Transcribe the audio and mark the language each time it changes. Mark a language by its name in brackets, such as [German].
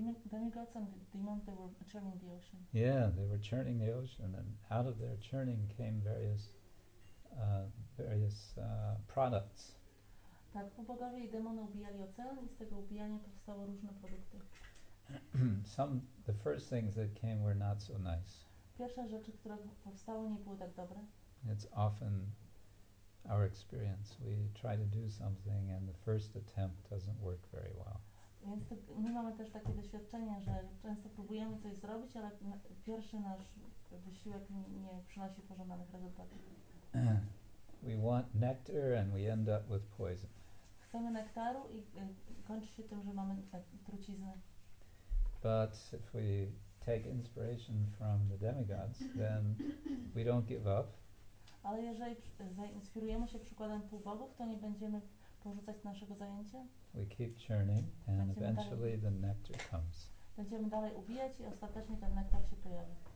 [English] Demigods and demons, they were churning the ocean. Yeah, they were churning the ocean, and out of their churning came various products. [Polish] Tak, półbogowie i demony ubijali ocean i z tego ubijania powstały różne produkty. [English] The first things that came were not so nice. [Polish] Pierwsze rzeczy, które powstały, nie były tak dobre. [English] It's often our experience. We try to do something and the first attempt doesn't work very well. [Polish] Więc my mamy też takie doświadczenie, że często próbujemy coś zrobić, ale pierwszy nasz wysiłek nie przynosi pożądanych rezultatów. [English] We want nectar and we end up with poison. [Polish] Chcemy nektaru i kończy się tym, że mamy truciznę. [English] But if we t- take inspiration from the demigods, then we don't give up. [Polish] Ale jeżeli zainspirujemy się przykładem półbogów, to nie będziemy porzucać naszego zajęcia. [English] We keep churning and [Polish] będziemy [English] eventually [Polish] dalej, [English] the nectar comes. [Polish] Będziemy dalej ubijać i ostatecznie ten nektar się pojawi.